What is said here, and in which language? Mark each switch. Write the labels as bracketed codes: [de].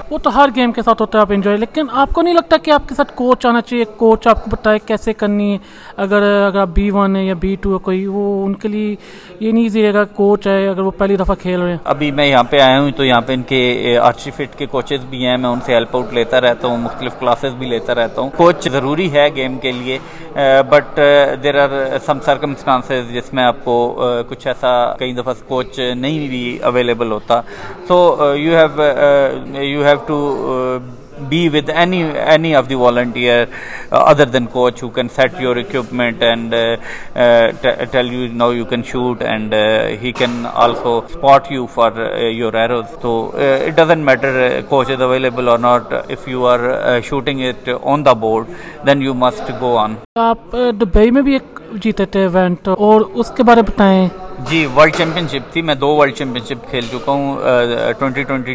[hi] वो तो हर गेम के साथ होता है आप एंजॉय, लेकिन आपको नहीं लगता कि आपके साथ कोच आना चाहिए, कोच आपको बताए कैसे करनी है? अगर आप B1 है या B2 है कोई, वो उनके लिए ये नहीं इजी रहेगा कोच है अगर वो पहली दफ़ा खेल रहे हैं? अभी मैं यहाँ पे आया हूँ तो यहाँ पे इनके आर्ची फिट के कोचेज भी हैं, मैं उनसे हेल्प आउट लेता रहता हूँ, मुख्तलिफ क्लासेस भी लेता रहता हूँ। कोच ज़रूरी है गेम के लिए, [en] but there are some circumstances [hi] जिसमें आपको कुछ ऐसा कई दफ़ा कोच नहीं भी अवेलेबल होता, [en] So you have to be with any of the volunteer other than coach who can set your equipment and tell you now you can shoot and he can also spot you for your arrows. So it doesn't matter coach is available or not, if you are shooting it on the board then you must go on. [hi] Aap Dubai mein bhi ek jeete the event, aur uske bare bataye. Ji, world championship थी, मैं 2 world championship खेल चुका हूँ।